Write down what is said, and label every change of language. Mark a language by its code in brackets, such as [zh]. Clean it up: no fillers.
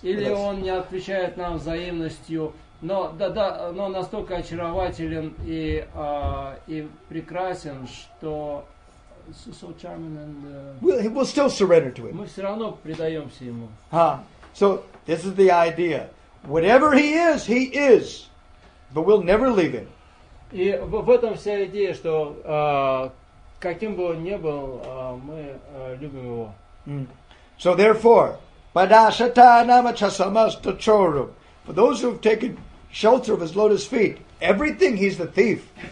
[ru] Или он не отвечает нам взаимностью, но да, но настолько очарователен и прекрасен, что [en] so charming and we'll still surrender to him. [ru] Мы все равно предаемся ему. [en] So this is the idea. Whatever he is, but we'll never leave him. [ru] И в этом вся идея, что каким бы он ни был, мы любим его. [en] So therefore, [sa] padashata namachasamasta chorum. [en] For those who have taken shelter of his lotus feet, everything he's the thief.